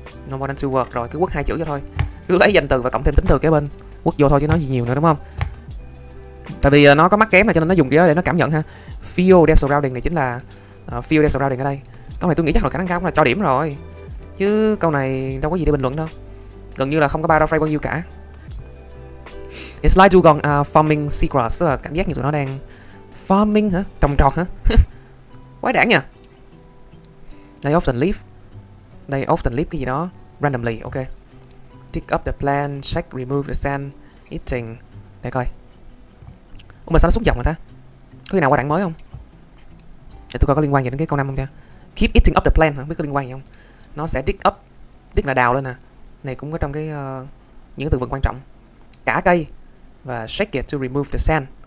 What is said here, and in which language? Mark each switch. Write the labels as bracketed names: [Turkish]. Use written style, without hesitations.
[English] No more than two words, [Vietnamese] rồi cứ quất hai chữ cho thôi. Cứ lấy danh từ và cộng thêm tính từ kế bên, quất vô thôi chứ nói gì nhiều nữa đúng không? Tại vì nó có mắt kém này, cho nên nó dùng cái đó để nó cảm nhận ha. [English] Feel the surrounding [Vietnamese] này chính là [English] feel the surrounding [Vietnamese] ở đây. Câu này tôi nghĩ chắc là khả năng cao cũng là cho điểm rồi. Chứ câu này đâu có gì để bình luận đâu. Gần như là không có paraphrase bao nhiêu cả. [English] It's like Dugong farming seagrass. [Vietnamese] Tức là cảm giác như tụi nó đang farming hả? Trồng trọt hả? Quái đản nha. [English] They often leave [Vietnamese] cái gì đó [English] randomly, ok. Dig up the plant, check, remove the sand, eating. [Vietnamese] Để coi. Ủa mà sao nó xuống dòng rồi ta? Có khi nào qua đoạn mới không? Để tôi coi có liên quan gì đến cái câu 5 không nha. [English] Keep eating up the plant, [Vietnamese] không biết có liên quan gì không? Nó sẽ dig up, dig là đào lên nè. Này cũng có trong cái những từ vựng quan trọng. Cả cây và [English] shake it to remove the sand.